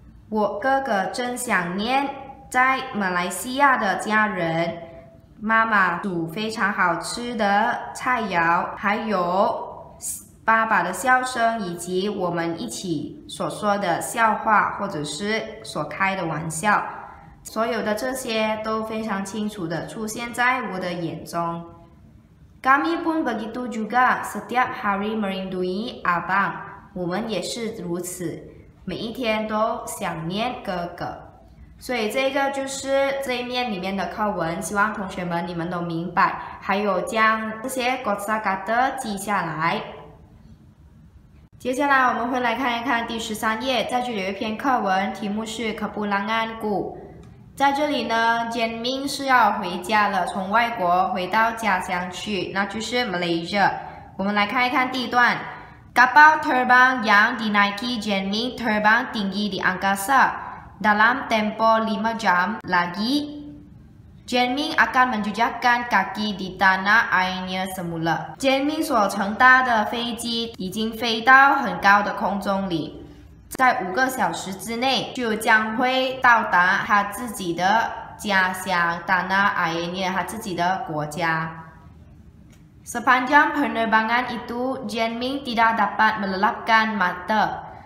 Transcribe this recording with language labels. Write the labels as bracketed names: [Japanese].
[Chinese] 我哥哥真想念在马来西亚的家人，妈妈煮非常好吃的菜肴，还有爸爸的笑声，以及我们一起所说的笑话或者是所开的玩笑。所有的这些都非常清楚地出现在我的眼中。 [Malay] Kami pun begitu juga setiap hari merindui abang， [Chinese] 我们也是如此，每一天都想念哥哥。所以这个就是这一面里面的课文，希望同学们你们都明白，还有将这些 kosakata 记下来。接下来我们会来看一看第十三页，在这里有一篇课文，题目是 Kepulangan Gu。在这里呢 ，Jen Ming 是要回家了，从外国回到家乡去，那就是 Malaysia。我们来看一看第一段 [Malay] ，Kapal terbang yang dinaiki Jen Ming terbang tinggi di angkasa dalam tempoh 5 jam lagi. Jen Ming akan menjejakkan kaki di tanah airnya semula. [Chinese] Jen Ming 所乘搭的飞机已经飞到很高的空中里。在五个小时之内就将会到达他自己的家乡达纳阿耶涅，他自己的国家。 [Malay] Sepanjang penerbangan itu, Jen Ming tidak dapat melelapkan mata.